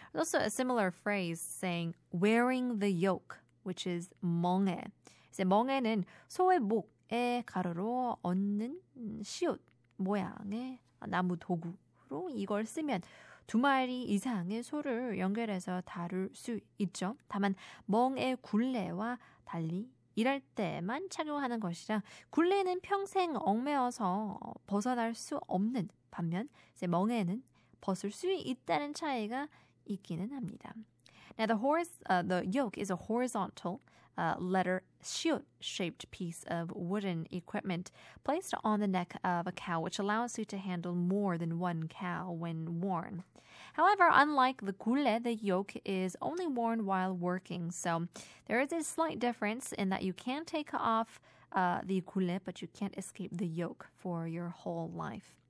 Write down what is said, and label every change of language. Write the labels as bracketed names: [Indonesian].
[English] There's also a similar phrase saying wearing the yoke, which is 멍에. [Korean] 이제 멍에는 소의 목에 가로로 얹는 시옷 모양의 나무 도구로 이걸 쓰면 두 마리 이상의 소를 연결해서 다룰 수 있죠. 다만 멍에 굴레와 달리 일할 때만 착용하는 것이라 굴레는 평생 얽매여서 벗어날 수 없는 반면 이제 멍에는 벗을 수 있다는 차이가 있기는 합니다. [English] Now the horse, the yoke is a horizontal letter shield shaped piece of wooden equipment placed on the neck of a cow which allows you to handle more than one cow when worn. However, unlike the 굴레, the yoke is only worn while working, so there is a slight difference in that you can take off the 굴레, but you can't escape the yoke for your whole life.